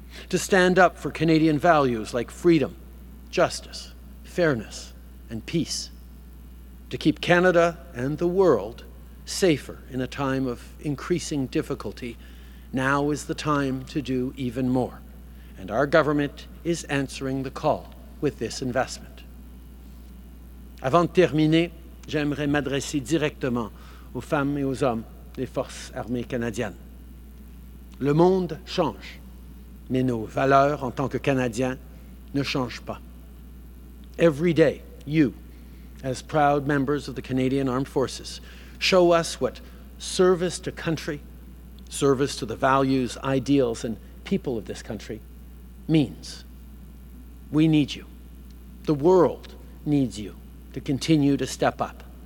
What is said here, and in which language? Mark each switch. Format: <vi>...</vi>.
<en>To stand up for Canadian values like freedom, justice, fairness, and peace. To keep Canada and the world safer in a time of increasing difficulty, now is the time to do even more. And our government is answering the call with this investment.</en> <fr>Avant de terminer, j'aimerais m'adresser directement aux femmes et aux hommes des forces armées canadiennes. Le monde change, mais nos valeurs en tant que Canadiens ne changent pas.</fr> <en>Every day, you, as proud members of the Canadian Armed Forces, show us what service to country, service to the values, ideals, and people of this country means. We need you. The world needs you to continue to step up.</en>